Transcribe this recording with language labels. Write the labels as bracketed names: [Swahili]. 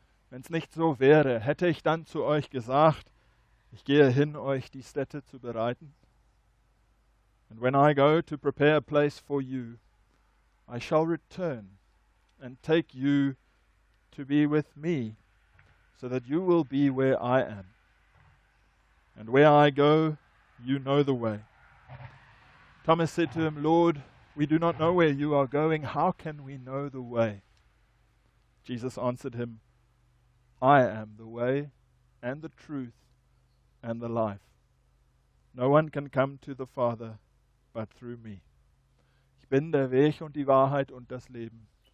[German] Wenn's nicht so wäre, hätte ich dann zu euch gesagt, ich gehe hin, euch die Stätte zu bereiten. [English] And when I go to prepare a place for you, I shall return and take you to be with me, so that you will be where I am. And where I go, you know the way. Thomas said to him, "Lord, we do not know where you are going. How can we know the way?" Jesus answered him, "I am the way and the truth and the life. No one can come to the Father but through me. [German] Ich bin der Weg und die Wahrheit und das Leben.